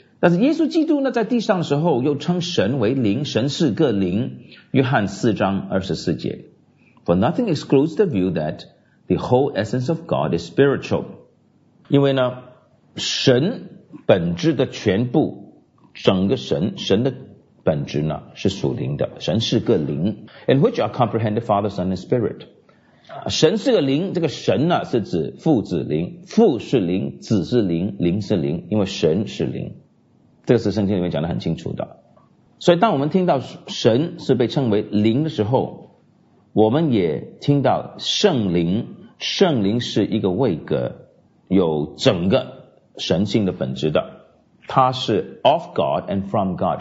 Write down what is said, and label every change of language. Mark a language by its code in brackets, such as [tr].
[zh] 但是耶稣基督呢在地上的时候又称神为灵，神是个灵，约翰四章二十四节。 [en] For nothing excludes the view that the whole essence of God is spiritual。 [zh] 因为呢神本质的全部，整个神的本质呢是属灵的，神是个灵。 [en] In which are comprehended Father, Son and Spirit。 [zh] 神是个灵，这个神呢是指父子灵，父是灵，子是灵，灵是灵，因为神是灵，这个是圣经里面讲得很清楚的。所以当我们听到神是被称为灵的时候，我们也听到圣灵，圣灵是一个位格，有整个神性的本质的，它是 [en] of God and from God。